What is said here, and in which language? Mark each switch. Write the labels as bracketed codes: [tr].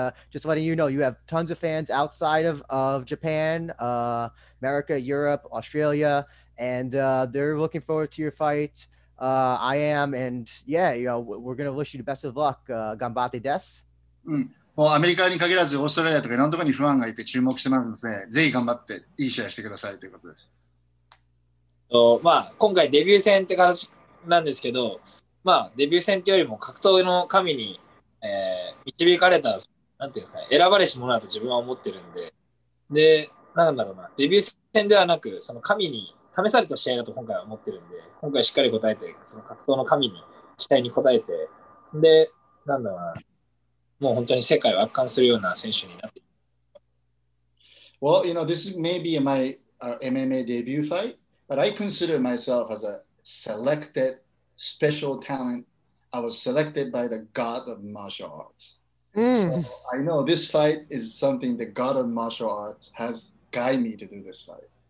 [en] Just letting you know, you have tons of fans outside of Japan, America, Europe, Australia, and they're looking forward to your fight. I am. And yeah, you know, we're going to wish you the best of luck. [ja] Ganbatte desu. Mm. もうアメリカに限らずオーストラリアとかいろんなところにファンがいて注目してますので、ぜひ頑張っていい試合してくださいということです。まあ、今回デビュー戦って形なんですけど、まあ、デビュー戦ってよりも格闘の神に、導かれた、なんていうんですか、選ばれし者だと自分は思ってるんで、で、なんだろうな、デビュー戦ではなくその神に試された試合だと今回は思ってるんで、今回しっかり応えてその格闘の神に期待に応えて、で、なんだろうな、もう本当に世界を圧巻するような選手になって。 [en] Well, you know, this may be my MMA debut fight, but I consider myself as a selected special talent. I was selected by the god of martial arts.、So I know this fight is something the god of martial arts has guided me to do this fight.